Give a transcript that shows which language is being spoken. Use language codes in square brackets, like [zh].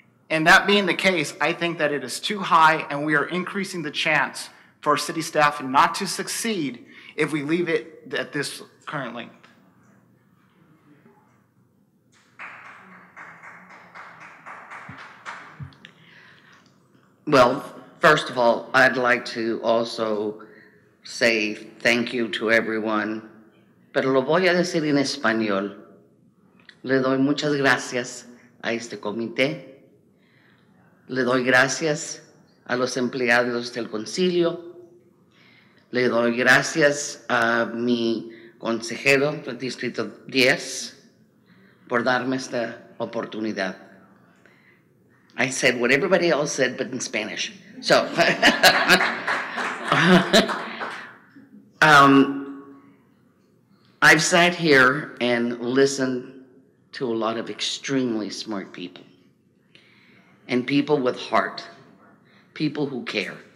[en] And that being the case, I think that it is too high, and we are increasing the chance for city staff not to succeed if we leave it at this current length. Well, first of all, I'd like to also say thank you to everyone. [es] Pero lo voy a decir en español. Le doy muchas gracias a este comité. Le doy gracias a los empleados del concilio. Le doy gracias a mi consejero del Distrito 10 por darme esta oportunidad. [en] I said what everybody else said, but in Spanish. So, I've sat here and listened to a lot of extremely smart people and people with heart, people who care.